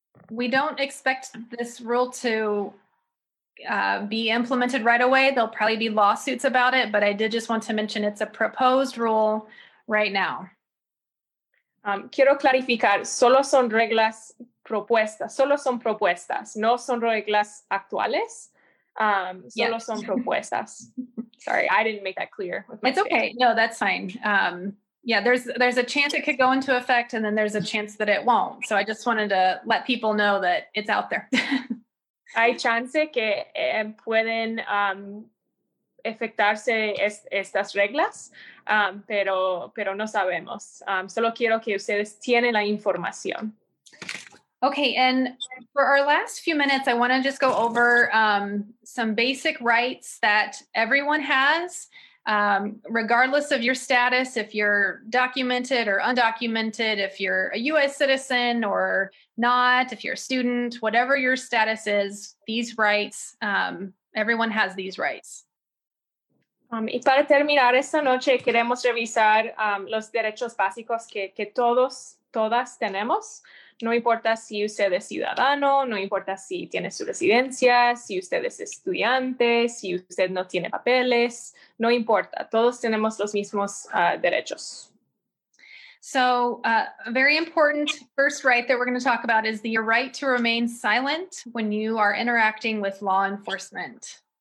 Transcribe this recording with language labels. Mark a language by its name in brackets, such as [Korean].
[English] We don't expect this rule to be implemented right away. There'll probably be lawsuits about it, but I did just want to mention it's a proposed rule right now. [Spanish] Quiero clarificar, solo son reglas propuestas, solo son propuestas, no son reglas actuales, solo son propuestas. [English] Sorry, I didn't make that clear. Okay. No, that's fine. There's a chance it could go into effect and then there's a chance that it won't. So I just wanted to let people know that it's out there. [Spanish] Hay chance que pueden afectarse estas reglas, pero no sabemos. Solo quiero que ustedes tienen la información. [English] Okay, and for our last few minutes, I want to just go over some basic rights that everyone has, regardless of your status, if you're documented or undocumented, if you're a U.S. citizen or not, if you're a student, whatever your status is, these rights, everyone has these rights. [Spanish] Y para terminar esta noche, queremos revisar los derechos básicos que todos, todas tenemos. No importa si usted es ciudadano, no importa si tiene su residencia, si usted es estudiante, si usted no tiene papeles, no importa. Todos tenemos los mismos derechos. [English] So a very important first right that we're going to talk about is the right to remain silent when you are interacting with law enforcement.